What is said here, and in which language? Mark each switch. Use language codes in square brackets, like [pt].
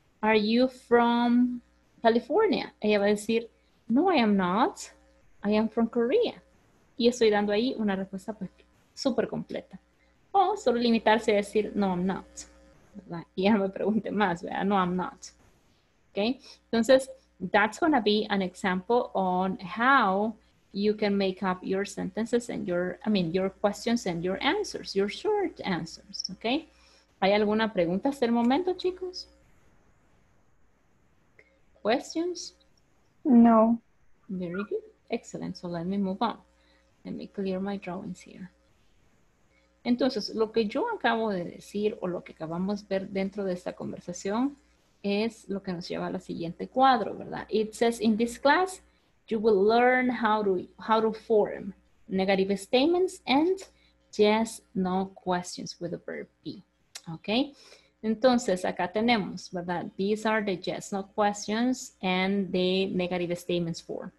[en] Are you from California? [es] Ella va a decir, no, [en] I am not. I am from Korea. [es] Y estoy dando ahí una respuesta pues, súper completa. O solo limitarse a decir, [en] no, I'm not. [es] ¿Verdad? Y ya no me pregunte más, ¿verdad? [en] No, I'm not. Okay? Entonces, that's going to be an example on how you can make up your sentences and your questions and your answers, your short answers. [es] Okay? ¿Hay alguna pregunta hasta el momento, chicos? [en] ¿Questions? No. Very good. Excellent. So let me move on. Let me clear my drawings here. [es] Entonces, lo que yo acabo de decir o lo que acabamos de ver dentro de esta conversación es lo que nos lleva al siguiente cuadro, ¿verdad? [en] It says, in this class, you will learn how to form negative statements and yes, no questions with the verb be. Okay? [es] Entonces, acá tenemos, ¿verdad? [en] These are the yes, no questions and the negative statements form.